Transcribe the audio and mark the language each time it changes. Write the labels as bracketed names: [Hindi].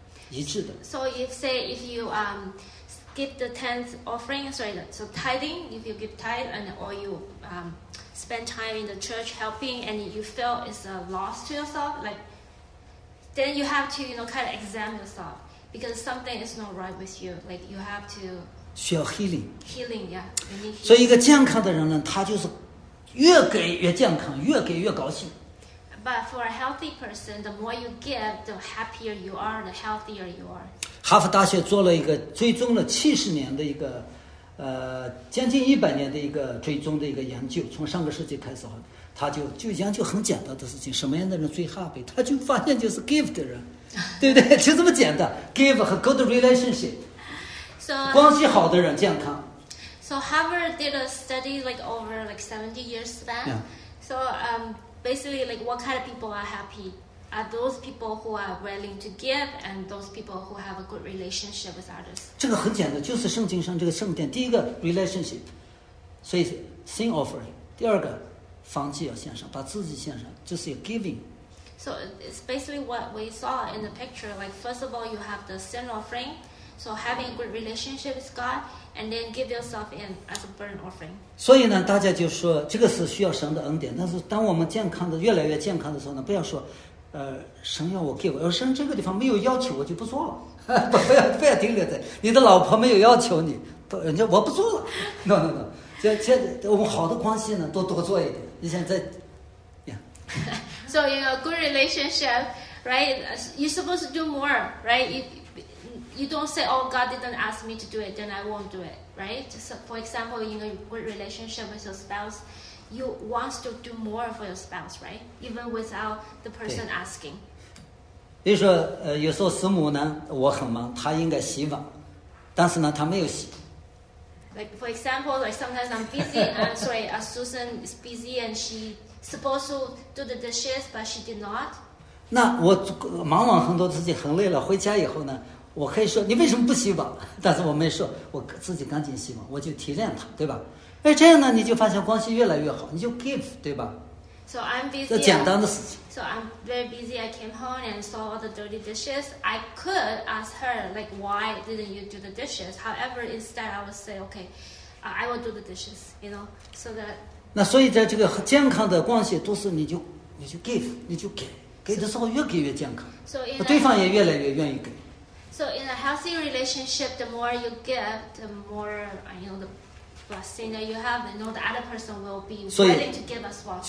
[Chinese] 一致的。 [English] So if say if you give the tenth offering, sorry, so tithing, if you give tithe and or you spend time in the church helping and you feel it's a loss to yourself, like then you have to, you know, kind of examine yourself because something is not right with you. Like you have to [Chinese] 需要 healing. [English] Healing, yeah. Healing. [Chinese] 所以一个健康的人呢，他就是越给越健康，越给越高兴。 [English] But for a healthy person, the more you give, the happier you are, the healthier you are. [Chinese] 哈佛大学做了一个追踪了70年的一个，将近100年的一个追踪的一个研究，从上个世纪开始，他就研究很简单的事情，什么样的人最 happy， 他就发现就是 give 的人，对不对？就这么简单 ，give 和 [English] good relationship， so, [Chinese] 关系好的人健康。 [English] So Harvard did a study like over like 70 years span.、 Yeah. So Basically, like what kind of people are happy? Are those people who are willing to give and those people who have a good relationship with others? [Chinese] 这个很简单，就是圣经上这个圣殿，第一个 relationship，所以 [English] sin offering。 [Chinese] 第二个，放弃要献上，把自己献上，就是 giving。 [English] So it's basically what we saw in the picture. Like, first of all, you have the sin offering. So having a good relationship with God, and then give yourself in as a burnt offering. [Chinese] 所以呢，大家就说这个是需要神的恩典。但是当我们健康的越来越健康的时候呢，不要说，神要我 give， 而神这个地方没有要求，我就不做了。不要停留在你的老婆没有要求你，人家我不做了。 No， 这我们好的关系呢，多做一点。你现在， [English] So in a good relationship, right, you're supposed to do more, right? You don't say, oh, God didn't ask me to do it, then I won't do it, right? So for example, in a good relationship with your spouse, you want to do more for your spouse, right? Even without the person asking. [Chinese] 比如说，有时候师母呢，我很忙，她应该洗碗，但是呢，她没有洗。 [English] Like, for example, like sometimes I'm busy, I'm sorry, Susan is busy and she... supposed to do the dishes, but she did not. [Chinese] 那我忙完很多，自己很累了，回家以后呢，我可以说你为什么不洗碗？但是我没说，我自己赶紧洗碗，我就提炼它，对吧？哎，这样呢，你就发现关系越来越好，你就 give， 对吧 [English] ？So I'm busy. [Chinese] 这简单的事情。 [English] So I'm very busy. I came home and saw all the dirty dishes. I could ask her like, why didn't you do the dishes? However, instead, I would say, okay, I will do the dishes. You know, so that. [Chinese] 那所以在这个健康的关系都是你就 give， 你就给的时候越给越健康，对方也越来越愿意给。 [English] So in a healthy relationship, the more you give, the more, you know, the blessing that you have, you know, the other person will be willing to give as well.